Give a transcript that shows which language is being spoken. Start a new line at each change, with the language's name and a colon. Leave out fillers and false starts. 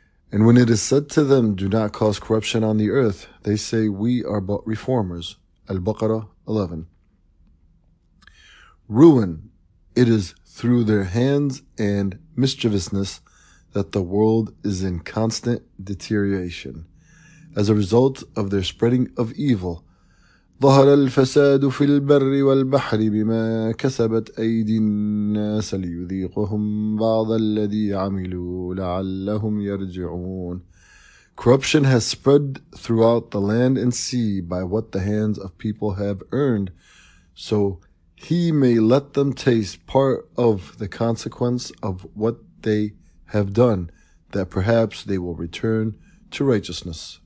English: And when it is said to them, do not cause corruption on the earth, they say, we are but reformers. Al-Baqarah 11. Ruin. It is through their hands and mischievousness that the world is in constant deterioration. As a result of their spreading of evil,
Arabic: ظهر الفساد في البر والبحر بما كسبت أيدي الناس ليذيقهم بعض الذي عملوا لعلهم يرجعون.
English: Corruption has spread throughout the land and sea by what the hands of people have earned, so he may let them taste part of the consequence of what they have done, that perhaps they will return to righteousness.